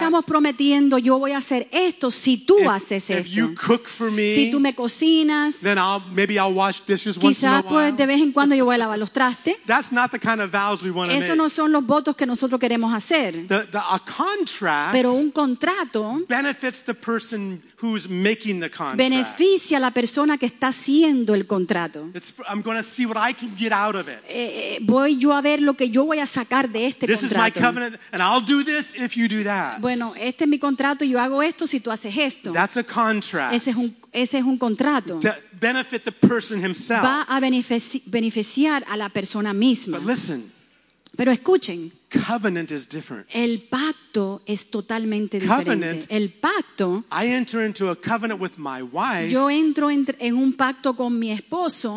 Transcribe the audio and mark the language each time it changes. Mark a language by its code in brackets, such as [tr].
[es] No estamos prometiendo yo voy a hacer esto si tú haces esto. [en] If you cook for me. [es] Si tú me cocinas. [en] Then maybe I'll wash dishes once in a while. [es] Quizás pues de vez en cuando yo voy a lavar los trastes. [en] That's not the kind of vows we want to make. [es] Eso no son los votos que nosotros queremos hacer. [en] A contract. [es] Pero un contrato [en] benefits the person who's making the contract. [es] Beneficia a la persona que está haciendo el contrato. [en] I'm going to see what I can get out of it. [es] Voy yo a ver lo que yo voy a sacar de este [en] this [es] contrato. [en] This is my covenant and I'll do this if you do that. [es] Bueno, este es mi contrato y yo hago esto si tú haces esto. [en] That's a contract. [es] Ese es un contrato. [en] To benefit the person himself. [es] Va a beneficiar a la persona misma. [en] But listen. [es] Pero escuchen. [en] Covenant is different. [es] El pacto es totalmente [en] covenant, [es] diferente. El pacto. [en] I enter into a covenant with my wife. [es] Yo entro en un pacto con mi esposo.